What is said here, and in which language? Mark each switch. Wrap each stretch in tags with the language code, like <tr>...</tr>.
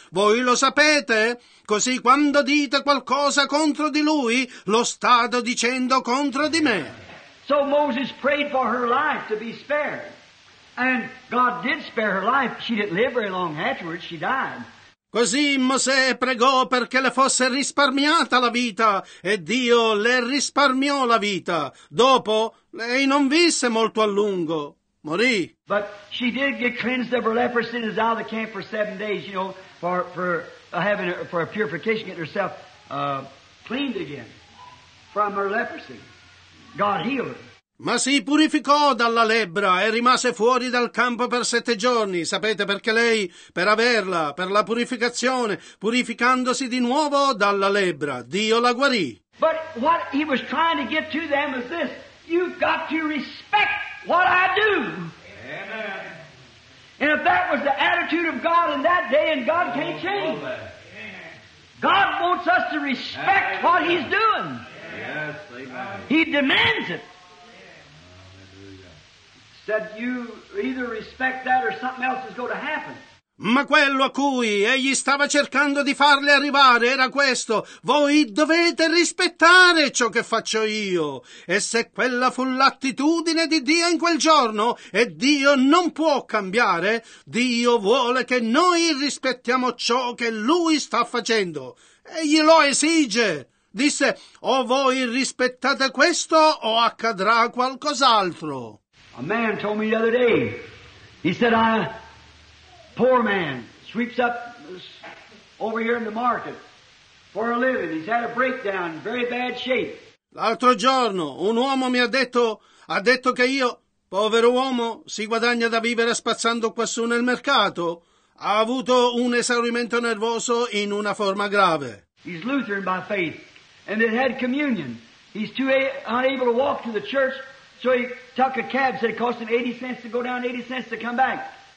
<it>Voi lo sapete? Così quando dite qualcosa contro di lui, lo state dicendo contro di me.</it> <en>So Moses prayed for her life to be spared. And God did spare her life. She didn't live very long afterwards. She died.</en> <it>Così Mosè pregò perché le fosse risparmiata la vita, e Dio le risparmiò la vita. Dopo, lei non visse molto a lungo. Morì.</it> <en>But she did get cleansed of her leprosy and is out of the camp for 7 days, you know, for a purification, getting herself cleaned again from her leprosy. God healed her.</en> <it>Ma si purificò dalla lebbra e rimase fuori dal campo per 7 giorni. Sapete perché lei? Per averla, per la purificazione, purificandosi di nuovo dalla lebbra. Dio la guarì.</it> <en>But what he was trying to get to them is this. You've got to respect what I do. Amen. And if that was the attitude of God in that day, and God can't change. Amen. God wants us to respect What he's doing. Yes, amen. He demands it. That you either respect that or something else is going to happen.</en> <it>Ma quello a cui egli stava cercando di farle arrivare era questo. Voi dovete rispettare ciò che faccio io. E se quella fu l'attitudine di Dio in quel giorno, e Dio non può cambiare, Dio vuole che noi rispettiamo ciò che Lui sta facendo. Egli lo esige. Disse, o voi rispettate questo o accadrà qualcos'altro.</it> <en>A man told me the other day, he said, I, poor man, sweeps up over here in the market for a living. He's had a breakdown, very bad shape.</en> <it>L'altro giorno, un uomo mi ha detto che io, povero uomo, si guadagna da vivere spazzando quassù nel mercato. Ha avuto un esaurimento nervoso in una forma grave.</it> <en>He's Lutheran by faith, and that had communion. He's too unable to walk to the church, so he took a cab, said it cost him 80 cents to go down, 80 cents to come back.</en>